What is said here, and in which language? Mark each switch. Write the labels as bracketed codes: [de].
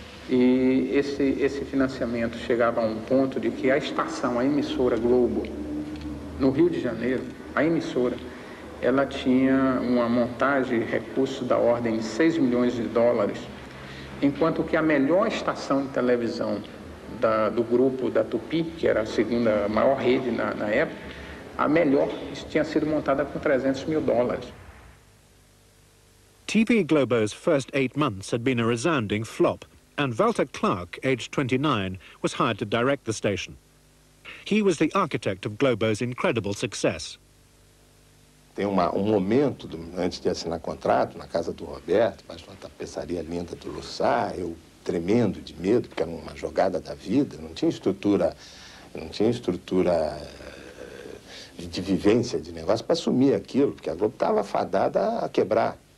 [pt] E esse financiamento chegava a um ponto de que a estação, a emissora Globo, no Rio de Janeiro, a emissora, ela tinha uma montagem de recursos da ordem de 6 milhões de dólares, enquanto que a melhor estação de televisão do grupo da Tupi, que era a segunda maior rede na época, a melhor tinha sido montada com 300 mil dólares. [en] TV Globo's first 8 months had been a resounding flop, and Walter Clark, aged 29, was hired to direct the station. He was the architect of Globo's incredible success. [pt] Tem um momento, antes de assinar contrato, na casa do Roberto, mas uma tapeçaria linda do Lussar, eu tremendo de medo, porque era uma jogada da vida, não tinha estrutura de vivência de negócio para assumir aquilo, porque a Globo estava fadada a quebrar.